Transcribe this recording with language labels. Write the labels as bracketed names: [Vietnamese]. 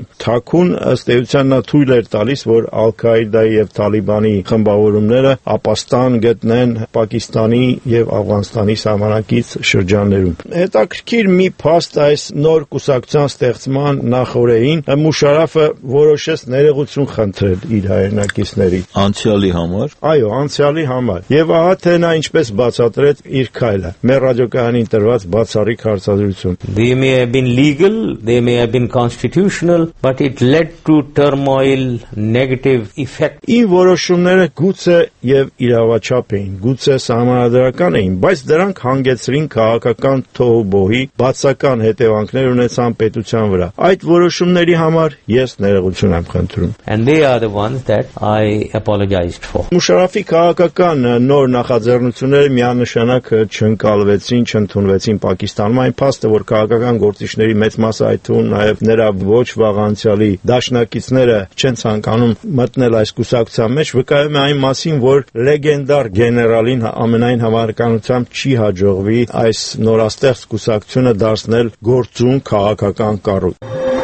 [Armenian] թաքուն ըստ էության նա թույլ էր տալիս, որ Ալ-Քաիդայի և Թալիբանի խմբավորումները ապաստան գտնեն Պակիստանի և Աֆղանստանի սահմանակից շրջաններում։ Հետաքրքիր մի փաստ այս նոր կուսակցության ստեղծման նախորեին Մուշարաֆը որոշեց ներողություն խնդրել իր հայրենակիցների անցյալի համար։ Այո, անցյալի համար։ Եվ ահա թե նա ինչպես բացատրեց իր քայլը։ Մեր ռադիոկայանին տրված բացառիկ հարցադրություն։ [English] They may have been legal, they may have been constitutional, but it led to turmoil, negative effect. [Armenian] Իմ որոշումները գուցե եւ իրավաչափ էին, գուցե սահմանադրական էին, բայց դրանք հանգեցրին քաղաքական թողուբոհի, բացական հետևանքներ ունեցան պետության վրա։ Այդ որոշումների համար ես ներողություն եմ խնդրում։ [English] And they are the ones that I apologized for. [Armenian] Մուշարաֆի քաղաքական նոր նախաձեռնությունները միանշանակ չընկալվեցին, չընդունվեցին Պակիստանում, այն փաստը, որ քաղաքական գործիչների մեծ մասը, այդ թվում նաև նրա ոչ վաղ անցյալի դաշնակիցները, չեն ցանկանում մտնել այս կուսակցության մեջ, վկայում է այն մասին, որ լեգենդար գեներալին ամենայն համարականությամբ չի հաջողվի այս նորաստեղ կուսակցությունը դարձնել գործուն քաղաքական կառույց։